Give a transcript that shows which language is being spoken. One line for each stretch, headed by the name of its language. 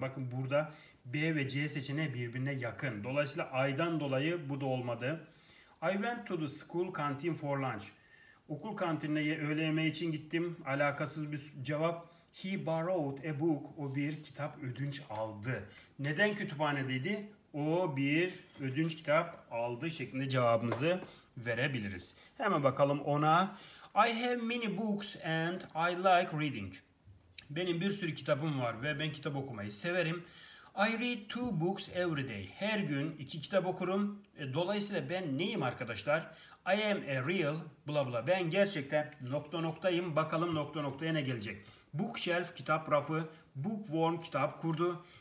Turkish: Bakın burada B ve C seçeneği birbirine yakın. Dolayısıyla I'dan dolayı bu da olmadı.
English: I went to the school canteen for lunch.
Turkish: Okul kantinine öğle yemeği için gittim. Alakasız bir cevap.
English: He borrowed a book.
Turkish: O bir kitap ödünç aldı. Neden kütüphanedeydi? O bir ödünç kitap aldı şeklinde cevabımızı verebiliriz. Hemen bakalım ona.
English: I have many books and I like reading.
Turkish: Benim bir sürü kitabım var ve ben kitap okumayı severim.
English: I read two books every day.
Turkish: Her gün iki kitap okurum. Dolayısıyla ben neyim arkadaşlar?
English: I am a real bla bla.
Turkish: Ben gerçekten nokta noktayım. Bakalım nokta noktaya ne gelecek. Bookshelf kitap rafı. Bookworm kitap kurdu.